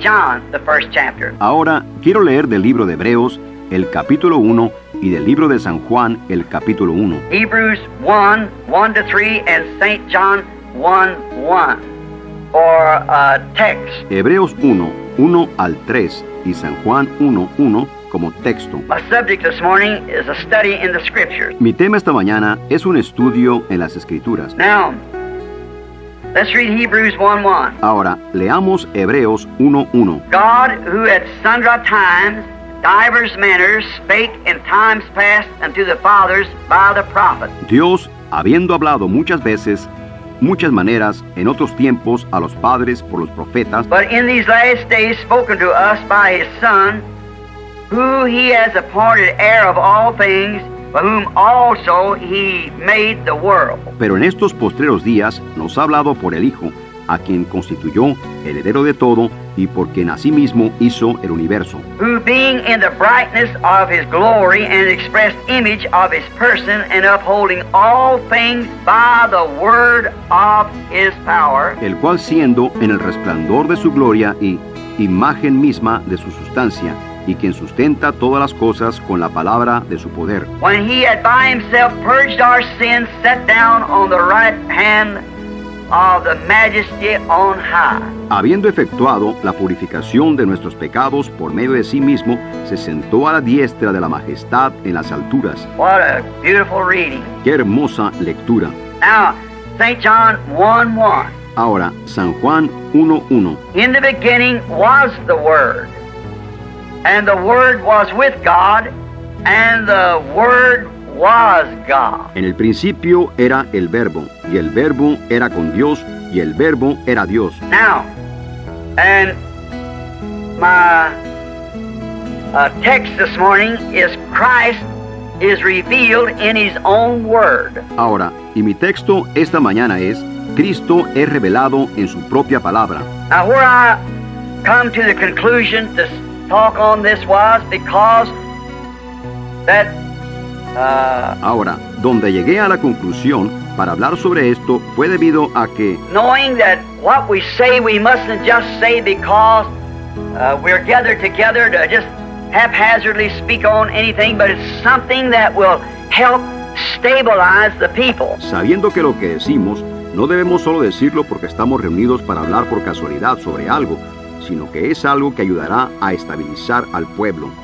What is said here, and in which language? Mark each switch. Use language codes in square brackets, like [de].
[en] John, the first chapter. [es] Ahora, quiero leer del libro de Hebreos, el capítulo 1, y del libro de San Juan, el capítulo 1. [en] Hebrews 1, 1-3, and St. John 1:1 or text. [es] Hebreos 1:1-3 y San Juan 1:1 como texto. [en] My subject this morning is a study in the scriptures. [es] Mi tema esta mañana es un estudio en las escrituras. [en] Now, let's read Hebrews 1:1. [es] Ahora, leamos Hebreos 1:1. [en] God, who at sundry times, divers manners, spake in times past unto the fathers by the prophets. [es] Dios, habiendo hablado muchas veces muchas maneras en otros tiempos a los padres por los profetas. [en] But in these last days spoken to us by his Son, who he has appointed heir of all things, by whom also he made the world. [es] Pero en estos postreros días nos ha hablado por el Hijo, a quien constituyó el heredero de todo, y por quien a sí mismo hizo el universo. [en] Who being in the brightness of his glory and expressed image of his person and upholding all things by the word of his power. [es] El cual siendo en el resplandor de su gloria y imagen misma de su sustancia, y quien sustenta todas las cosas con la palabra de su poder. [en] When he had by himself purged our sins, sat down on the right hand of the majesty on high. [es] Habiendo efectuado la purificación de nuestros pecados por medio de sí mismo, se sentó a la diestra de la majestad en las alturas. [en] What a beautiful reading. [es] Qué hermosa lectura. [en] Now, St. John 1:1. [es] Ahora, San Juan 1:1. [en] In the beginning was the Word. And the Word was with God, and the Word was God. [es] En el principio era el Verbo, y el Verbo era con Dios, y el Verbo era Dios. [en] Now, and my text this morning is Christ is revealed in His own Word. [es] Ahora, y mi texto esta mañana es Cristo es revelado en su propia palabra. [en] Now, where I come to the conclusion to talk on this was because that [es] ahora donde llegué a la conclusión para hablar sobre esto fue debido a que [en] knowing that what we say we mustn't just say because we're gathered together to just haphazardly speak on anything, but it's something that will help stabilize the people. [es] Sabiendo que lo que decimos no debemos solo decirlo porque estamos reunidos para hablar por casualidad sobre algo, sino que es algo que ayudará a estabilizar al pueblo.